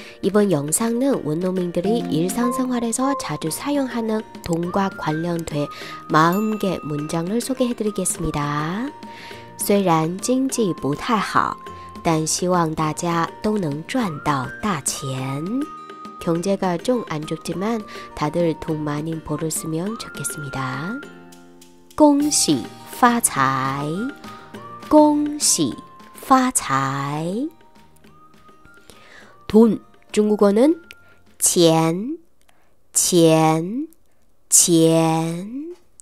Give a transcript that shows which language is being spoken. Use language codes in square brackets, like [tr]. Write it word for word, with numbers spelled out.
[ko] 이번 영상은 원어민들이 일상생활에서 자주 사용하는 돈과 관련된 마흔개 문장을 소개해드리겠습니다. [zh] 虽然经济不太好, 但希望大家都能赚到大钱. [ko] 경제가 좀 안 좋지만 다들 돈 많이 벌었으면 좋겠습니다. [zh] 恭喜发财, 恭喜发财. [ko] 돈, 중국어는 [zh] 钱, 钱, 钱.